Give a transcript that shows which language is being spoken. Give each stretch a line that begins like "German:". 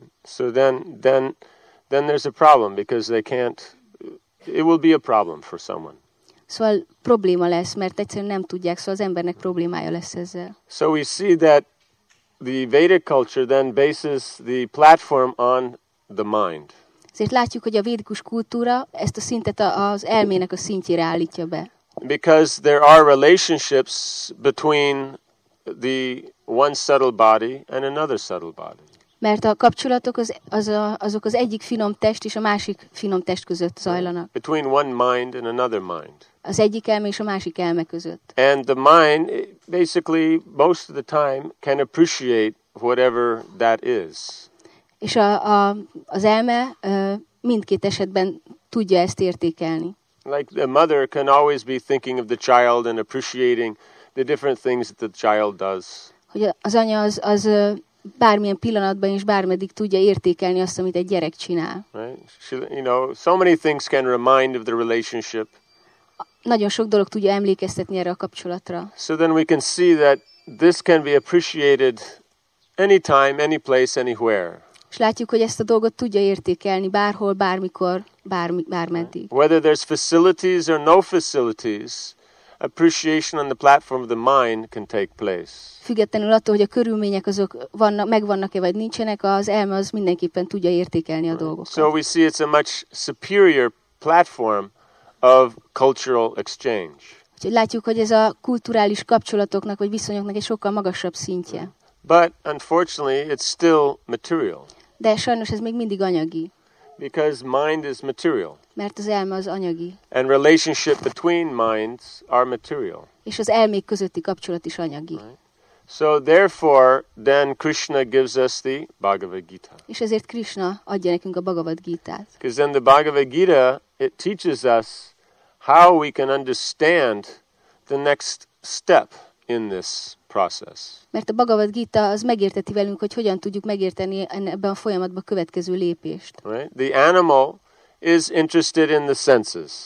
English: So then there's a problem because they can't. It will be a problem for someone.
Hungarian: Szóval probléma lesz, mert egyszerűen nem tudják, szóval az embernek problémája lesz ezzel.
English: So we see that the Vedic culture then bases the platform on the mind.
Hungarian: Ezért látjuk, hogy a védikus kultúra ezt a szintet az elmének a szintjére állítja be.
English: Because there are relationships between the one subtle body and another subtle body.
Hungarian: Mert a kapcsolatok azok az egyik finom test és a másik finom test között zajlanak.
English: Between one mind and another mind.
Hungarian: Az egyik elme és a másik elme között.
English: And the mind basically most of the time can appreciate whatever that is.
Hungarian: És az elme mindkét esetben tudja ezt értékelni.
English: Like the mother can always be thinking of the child and appreciating the different things that the child does.
Hungarian: Hogy az anya az bármilyen pillanatban és bármeddig tudja értékelni azt, amit egy gyerek csinál.
English: Right? She, you know, so many things can remind of the relationship.
Hungarian: Nagyon sok dolog tudja emlékeztetni erre a kapcsolatra.
English: So then we can see that this can be appreciated anytime, any place, anywhere.
Hungarian: És látjuk, hogy ezt a dolgot tudja értékelni bárhol, bármikor, bármeddig.
English: Whether there's facilities or no facilities, appreciation on the platform of the mind can take place.
Hungarian: Függetlenül attól, hogy a körülmények azok vannak, megvannak-e vagy nincsenek, az elme az mindenképpen tudja értékelni a dolgokat.
English: So we see it's a much superior platform of cultural exchange.
Hungarian: Úgyhogy látjuk, hogy ez a kulturális kapcsolatoknak vagy viszonyoknak egy sokkal magasabb szintje.
English: But unfortunately, it's still material.
Hungarian: De sajnos ez még mindig anyagi.
English: Because mind is material.
Hungarian: Mert az elme az anyagi.
English: And relationship between minds are material.
Hungarian: És az elmék közötti kapcsolat is anyagi.
English: Right? So therefore, then Krishna gives us the Bhagavad Gita.
Hungarian: És ezért Krishna adja nekünk a Bhagavad Gitát.
English: Because then the Bhagavad Gita, it teaches us how we can understand the next step in this process.
Hungarian: Mert a Bhagavad Gita az megérteti velünk, hogy hogyan tudjuk megérteni ebben a folyamatban a következő lépést.
English: Right? The animal is interested in the senses.